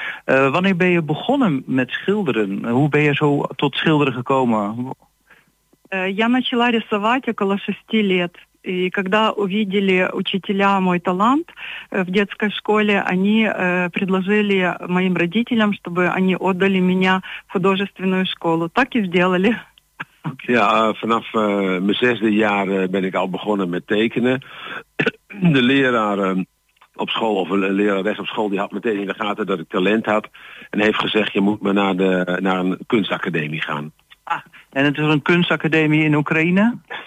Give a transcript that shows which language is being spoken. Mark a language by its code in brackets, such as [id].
[nl] Wanneer ben je begonnen met schilderen? Hoe ben je zo tot schilderen gekomen? [ru] Я начала рисовать около 6 лет. И когда увидели учителя мой талант в детской школе, они предложили моим родителям, чтобы они отдали меня в художественную школу. Так и сделали. [nl] Ja, vanaf mijn 6e jaar ben ik al begonnen met tekenen. De leraar op school, of een lerares op school, die had meteen in de gaten dat ik talent had. En heeft gezegd, je moet maar naar een kunstacademie gaan. Ah, en het is een kunstacademie in Oekraïne?